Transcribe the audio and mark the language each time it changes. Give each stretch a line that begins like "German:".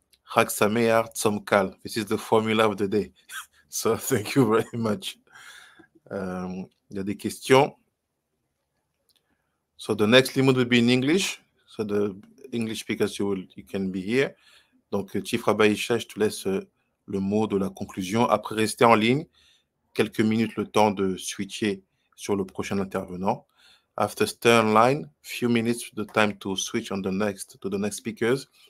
English: Chag Sameach, Tzom Kal. This is the formula of the day. So thank you very much.
French: Il y a des questions.
English: So the next limud will be in English. So the English speakers, you can be here.
French: Donc, Chief Rabbi Isha, je te laisse le mot de la conclusion. Après, rester en ligne, quelques minutes le temps de switcher sur le prochain intervenant.
English: After staying online, few minutes the time to switch on the next to the next speakers.